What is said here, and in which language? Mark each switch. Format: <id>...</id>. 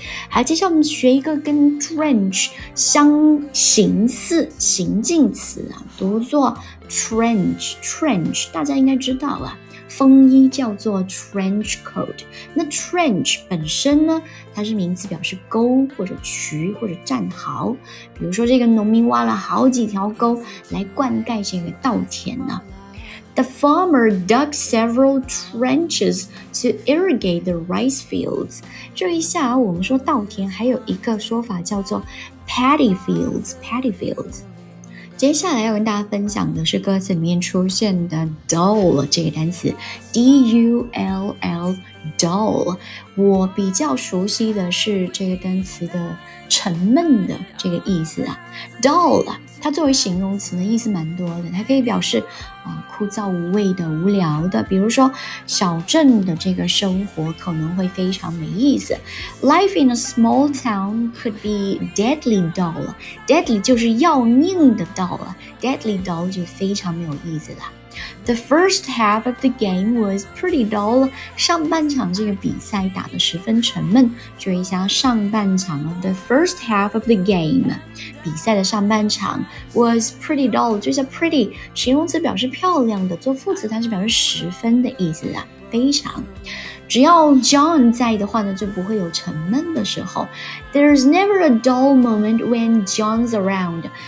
<zh>好，接下来我们学一个跟 drench 相形似形近词啊，读作 trench trench， 大家应该知道了，风衣叫做 trench coat。那 trench 本身呢，它是名词，表示沟或者渠或者战壕，比如说这个农民挖了好几条沟来灌溉这个稻田呢。</zh> <en>The farmer dug several trenches to irrigate the rice fields.</en> <zh>注意一下啊，我们说稻田还有一个说法叫做 paddy fields, paddy fields。接下来要跟大家分享的是歌词里面出现的 dull 这个单词 D-U-L-L dull。我比较熟悉的是这个单词的沉闷的这个意思啊。 dull 它作为形容词呢，意思蛮多的，它可以表示枯燥无味的、无聊的，比如说小镇的这个生活可能会非常没意思。</zh> <en>Life in a small town could be deadly dull.</en> <zh>Deadly 就是要命的 dull.</zh> <en>Deadly dull</en> <zh>就非常没有意思了。</zh> <en>The first half of the game was pretty dull.</en> <zh>上半场这个比赛打得十分沉闷。注意一下上半场</zh> <en>The first half of the game</en> <zh>比赛的上半场</zh> <en>was pretty dull.</en> <zh>就是 pretty 形容词表示漂亮的，做副词它是表示十分的意思啊，非常。只要 John 在的话呢，就不会有沉闷的时候。</zh> <en>There's never a dull moment when John's around.</en>